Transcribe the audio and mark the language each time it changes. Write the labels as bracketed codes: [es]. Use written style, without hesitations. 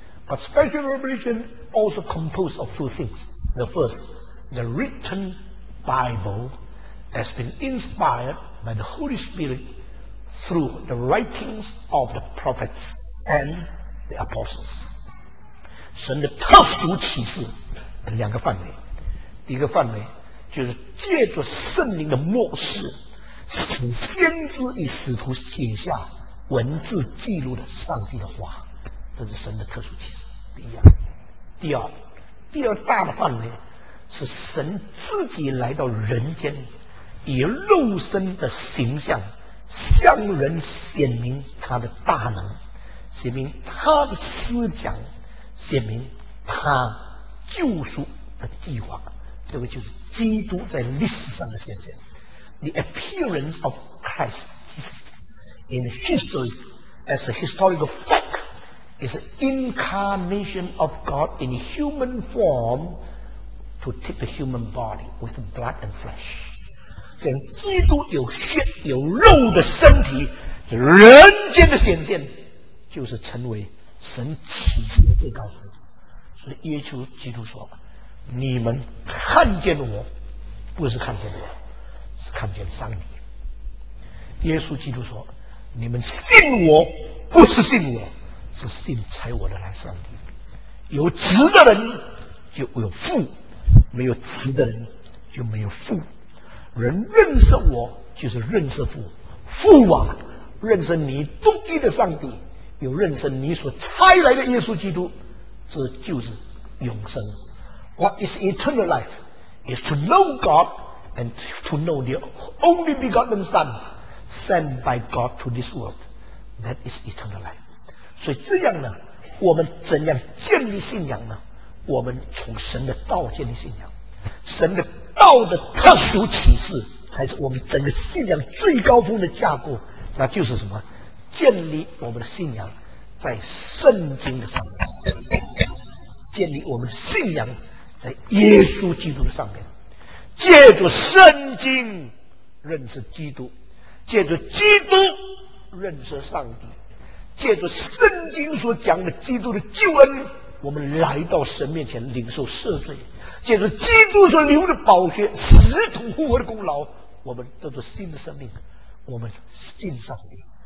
[en] But special revelation also composed of two things. The first, the written Bible has been inspired by the Holy Spirit through the writings of the prophets and the apostles. [zh] 神的特殊启示有两个范围。第一个范围就是借着圣灵的默示，使先知与使徒写下文字记录的上帝的话，这是神的特殊启示。第一样，第二大的范围是神自己来到人间，以肉身的形象向人显明他的大能，显明他的思想，显明他救赎的计划。这个就是基督在历史上的显现。 [en] The appearance of Christ in history as a historical fact is an incarnation of God in human form to take the human body with blood and flesh. [zh] 这样基督有血有肉的身体，人间的显现就是成为神启示的最高峰。所以耶稣基督说，你们看见我，不是看见我，是看见上帝。耶稣基督说，你们信我，不是信我，是信差我的来上帝。有职的人就有父，没有职的人就没有父。人认识我就是认识父，父啊，认识你独一的上帝，又认识你所差来的耶稣基督，这就是永生。 [en] What is eternal life is to know God and to know the only begotten Son sent by God to this world. That is eternal life. [zh] 所以这样呢，我们怎样建立信仰呢？我们从神的道建立信仰。神的道的特殊启示才是我们整个信仰最高峰的架构，那就是什么？建立我们的信仰在圣经的上面，建立我们的信仰在耶稣基督的上面，借着圣经认识基督，借着基督认识上帝，借着圣经所讲的基督的救恩，我们来到神面前领受赦罪，借着基督所流的宝血，死土复活的功劳，我们得到新的生命，我们信上帝。